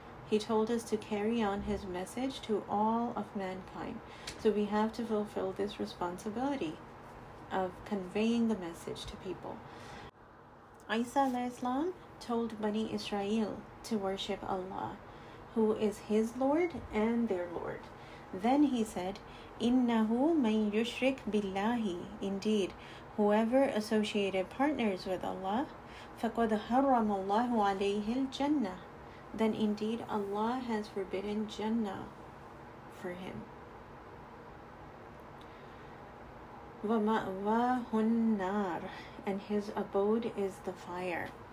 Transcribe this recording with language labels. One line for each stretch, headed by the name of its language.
English: He told us to carry on his message to all of mankind. So we have to fulfill this responsibility of conveying the message to people. Isa alayhi salam told Bani Israel to worship Allah, who is his Lord and their Lord. Then he said,
Arabic: إِنَّهُ مَنْ يُشْرِكْ بِاللَّهِ.
English: Indeed, whoever associated partners with Allah,
Arabic: فَقَدْ حَرَّمَ اللَّهُ عَلَيْهِ الْجَنَّةِ.
English: then indeed Allah has forbidden Jannah for him.
Arabic: وَمَأْوَاهُ النَّارِ,
English: and his abode is the fire.